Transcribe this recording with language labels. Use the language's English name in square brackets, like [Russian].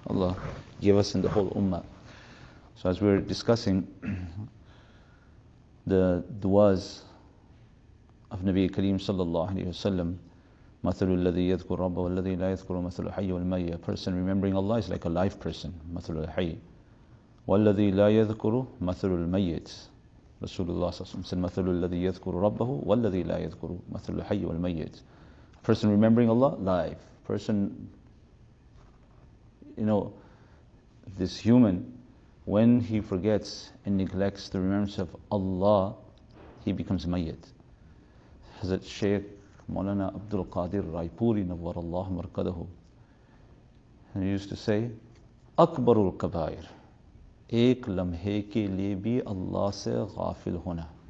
[English] Allah, give us in the whole ummah. So as we're discussing the duas of Nabi Kareem sallallahu alayhi wa sallam, [Arabic] مَثَلُ الَّذِي يَذْكُرُ رَبَّهُ وَالَّذِي لَا يَذْكُرُ مَثَلُ حَيِّ وَالْمَيِّ. [English] A person remembering Allah is like a live person. [Arabic] مَثَلُ الْحَيِّ وَالَّذِي لَا يَذْكُرُ مَثَلُ الْمَيِّتِ. [English] Rasulullah said, [Arabic] مَثَلُ الَّذِي يَذْكُرُ رَبَّهُ وَالَّذِي لَا يَذْكُرُ مَثَلُ الْحَيِّ وَالْمَيِّتِ. [English] Person remembering Allah, live. Person, you know, this human, when he forgets and neglects the remembrance of Allah, he becomes mayyit. Hazrat Shaykh Maulana Abdul Qadir Raipuri Nawwarallah Markadahu, and he used to say, [Arabic] أَكْبَرُ الْكَبَائِرِ [Urdu] ایک لمحے کے لئے بھی اللہ سے غافل ہونا.